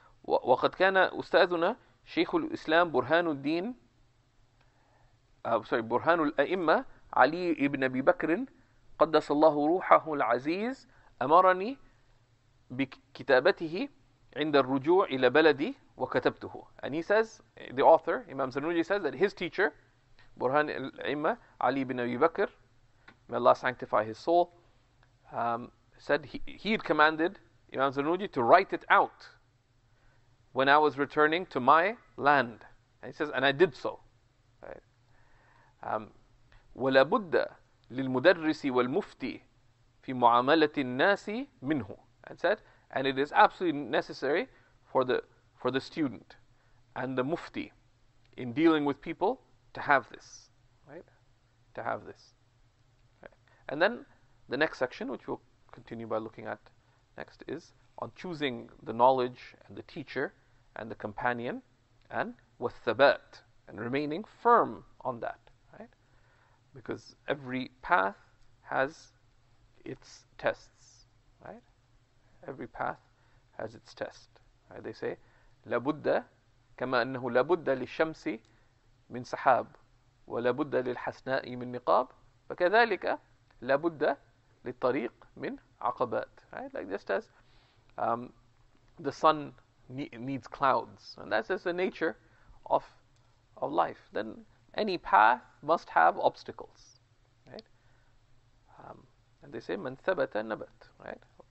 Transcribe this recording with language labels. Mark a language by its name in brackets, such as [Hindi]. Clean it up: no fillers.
[Arabic] وَقَدْ كَانَ أُسْتَاذُنَا شَيْخُ الْإِسْلَامِ بُرْهَانُ الدِّينِ برهان الأئمة علي بن أبي بكر قدس الله روحه العزيز أمرني بكتابته عند الرجوع إلى بلدي وكتبته. [English] And he says, the author, Imam Zarnuji says that his teacher, برهان الأئمة علي بن أبي بكر, may Allah sanctify his soul, said he had commanded Imam Zarnuji to write it out when I was returning to my land. And he says, and I did so. [Arabic] ولا بد للمدرس والمفتي في معاملة الناس منه. [English] And said, and it is absolutely necessary for the student and the mufti in dealing with people to have this, right? To have this. Right. And then the next section, which we'll continue by looking at next, is on choosing the knowledge and the teacher and the companion and والثبات and remaining firm on that. Because every path has its tests, right? Every path has its test. Right? They say, [Arabic] لَبُدَّ كَمَا أَنَّهُ لَبُدَّ لِلشَّمْسِ مِنْ سَحَابِ وَلَبُدَّ لِلْحَسْنَاءِ مِنْ نِقَابِ فَكَذَلِكَ لَبُدَّ لِلطَّرِيقِ مِنْ عَقَبَاتِ. [English] Right? Like just as the sun needs clouds. And that's just the nature of life. Then Any path must have obstacles, right? And they say, [Arabic] "Man thabata nabat," [English] right?